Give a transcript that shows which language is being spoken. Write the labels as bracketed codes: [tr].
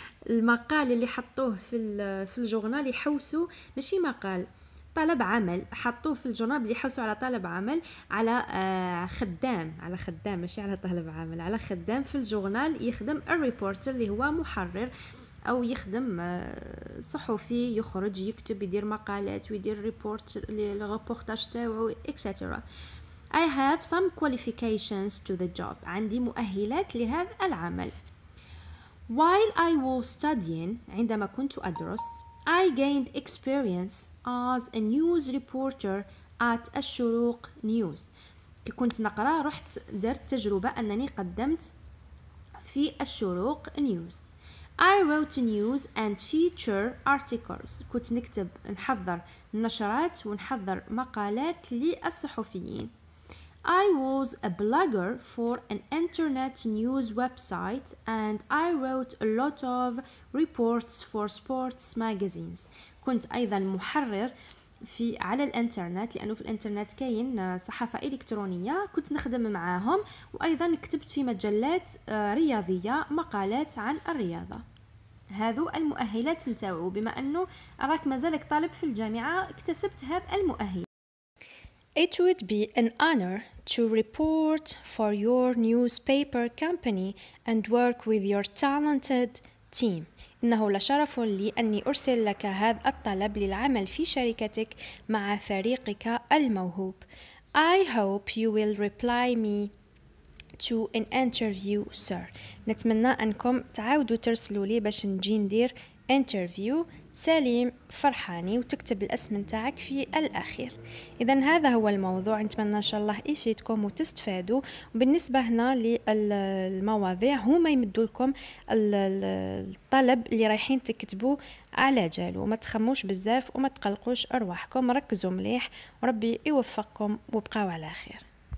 [ar] المقال اللي حطوه في الجورنال يحوسوا, ماشي مقال, طلب عمل حطوه في الجورنال اللي يحوسوا على طلب عمل على خدام, على خدام ماشي على طلب عمل, على خدام في الجورنال يخدم الريبورتر اللي هو محرر او يخدم صحفي يخرج يكتب يدير مقالات ويدير ريبورت للغبورتاج تاوعو اكسترا. [en] I have some qualifications to the job, [ar] عندي مؤهلات لهذا العمل. [en] While I was studying, [ar] عندما كنت أدرس, [en] I gained experience as a news reporter at الشروق news. [ar] كنت نقرأ رحت درت تجربة أنني قدمت في الشروق نيوز. [en] I wrote news and feature articles. [ar] كنت نكتب نحضر نشرات ونحضر مقالات للصحفيين. [en] I was a blogger for an internet news website and I wrote a lot of reports for sports magazines. [ar] كنت أيضا محرر في على الانترنت لأنه في الانترنت كاين صحافة إلكترونية, كنت نخدم معاهم وأيضا كتبت في مجلات رياضية مقالات عن الرياضة. هذو المؤهلات نتاعو, بما أنه راك مازالك طالب في الجامعة اكتسبت هذا المؤهل. [en] It would be an honor to report for your newspaper company and work with your talented team. [ar] إنه لشرف لي أني أرسل لك هذا الطلب للعمل في شركتك مع فريقك الموهوب. [en] I hope you will reply me to an interview, sir. [ar] نتمنى أنكم تعودوا ترسلوا لي باش نجي ندير interview. سليم فرحاني وتكتب الاسم نتاعك في الاخير. اذا هذا هو الموضوع, نتمنى ان شاء الله يفيدكم وتستفادوا. وبالنسبه هنا للمواضيع هما يمدوا لكم الطلب اللي رايحين تكتبوا على جالو, ما تخموش بزاف وما تقلقوش ارواحكم, ركزوا مليح وربي يوفقكم وبقوا على خير.